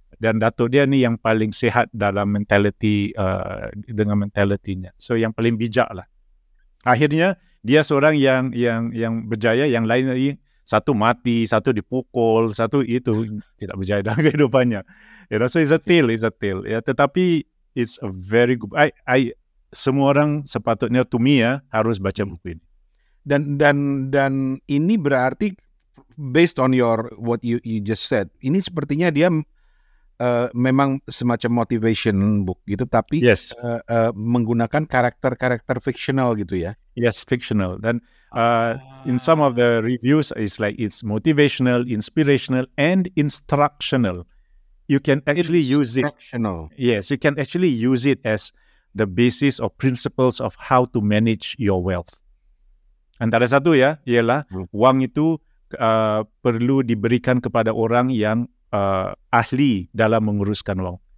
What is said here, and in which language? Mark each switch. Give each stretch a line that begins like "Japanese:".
Malay: Dan datuk dia ni yang paling sihat dalam mentality, dengan mentalitinya, so yang paling bijak lah. Akhirnya dia seorang yang berjaya, yang lain lagi satu mati, satu dipukul, satu itu tidak berjaya dalam kehidupannya.
English: You know, so it's a tale. Yeah, tetapi it's a very good.
Malay: I semua orang sepatutnya
English: to me
Malay: ya harus baca buku ini.
Indonesian: Dan ini berarti
English: based on what you just said,
Indonesian: ini sepertinya dia memang semacam
English: motivation book
Indonesian: gitu, tapi menggunakan karakter-karakter fictional gitu ya.
English: Yes, fictional. Dan in some of the reviews it's like it's motivational, inspirational and instructional. You can actually use it. Yes, you can actually use it as the basis or principles of how to manage your wealth.
Malay: Antara satu ya, ialah uang itu perlu diberikan kepada orang yang ahli dalam menguruskan uang.